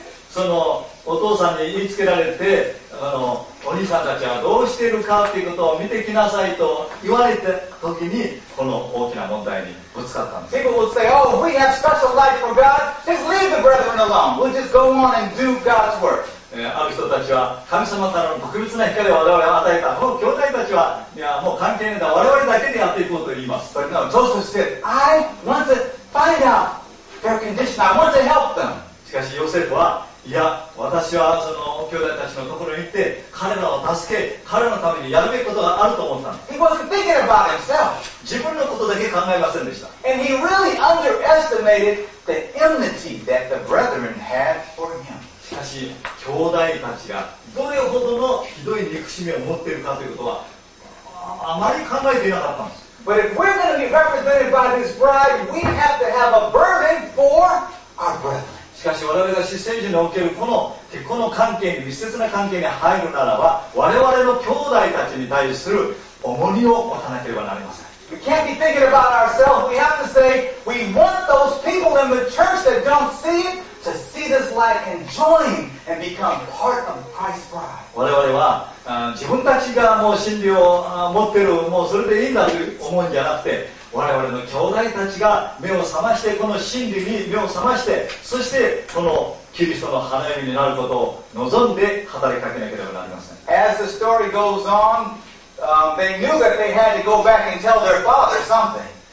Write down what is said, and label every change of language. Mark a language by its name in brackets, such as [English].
[Japanese] そのお父さんに言いつけられて、お兄さんたちはどうしているかということを見てきなさいと言われた時に、この大きな問題にぶつかったんです。 [English] People would say, oh, we have special light from God. Just leave the brethren alone. We'll just go on and do God's work. [Japanese] ある人たちは神様からの特別な光を我々は与えた。もう教会たちはいやもう関係ないんだ。我々だけでやっていこうと言います。 [English] But now Joseph said, I want to find out their condition. I want to help them. [Japanese] しかしヨセフはいや私はその兄弟たちのところに行って彼らを助け彼のためにやるべきことがあると思った。 [English] He wasn't thinking about himself. [Japanese] 自分のことだけ考えませんでした。 [English] And he really underestimated the enmity that the brethren had for him. [Japanese] しかし兄弟たちがどれほどのひどい憎しみを持っているかということはあまり考えていなかったんです。 [English] But if we're going to be represented by this bride, we have to have a burden for our brethren. [Japanese] しかし我々が執政寺におけるこの結婚の関係に密接な関係に入るならば我々の兄弟たちに対する重荷を持たなければなりません。 [English] We can't be thinking about ourselves. We have to say we want those people in the church that don't see it to see this light and join and become part of Christ's bride. [Japanese] 我々は自分たちがもう真理を持っているもうそれでいいんだという思うんじゃなくて我々の兄弟たちが目を覚ましてこの真理に目を覚ましてそしてこのキリストの花嫁になることを望んで働きかけなければなりません。 [English] As the story goes on, they knew that they had to go back and tell their father something.